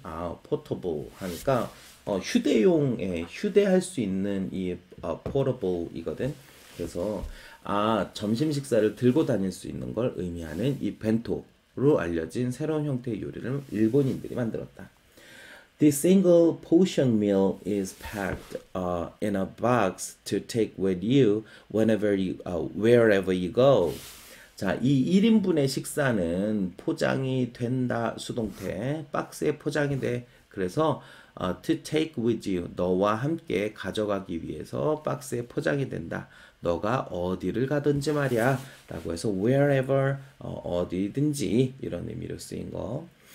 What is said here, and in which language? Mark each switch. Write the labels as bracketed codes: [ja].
[ko] 아, 포터블 하니까 휴대용에 휴대할 수 있는 이 포터블이거든. 그래서 아, 점심 식사를 들고 다닐 수 있는 걸 의미하는 이 벤토로 알려진 새로운 형태의 요리를 일본인들이 만들었다. [en] This single portion meal is packed in a box to take with you wherever you go. [ko] 자, 이 1인분의 식사는 포장이 된다 수동태, 박스에 포장이 돼. 그래서 [en] to take with you [ko] 너와 함께 가져가기 위해서 박스에 포장이 된다. 너가 어디를 가든지 말이야라고 해서 wherever 어디든지 이런 의미로 쓰인 거.